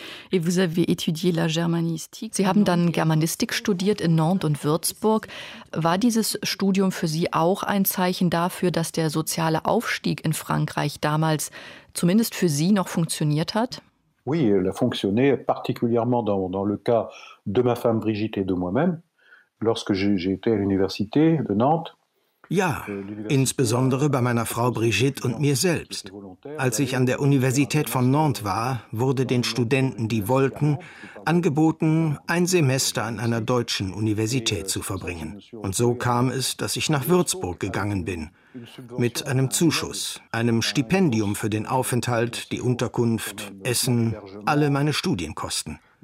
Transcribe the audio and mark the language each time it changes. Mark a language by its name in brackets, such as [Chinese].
[French] Et vous avez étudié la germanistique. [German] Sie haben dann Germanistik studiert in Nantes und Würzburg. War dieses Studium für Sie auch ein Zeichen dafür, dass der soziale Aufstieg in Frankreich damals zumindest für Sie noch funktioniert hat? [French] Oui, il a fonctionné particulièrement dans le cas de ma femme Brigitte et de moi-même lorsque j'ai été à l'université de Nantes. [German] Ja, insbesondere bei meiner Frau Brigitte und mir selbst. Als ich an der Universität von Nantes war, wurde den Studenten, die wollten, angeboten, ein Semester an einer deutschen Universität zu verbringen. Und so kam es, dass ich nach Würzburg gegangen bin. Mit einem Zuschuss, einem Stipendium für den Aufenthalt, die Unterkunft, Essen, alle meine Studienkosten.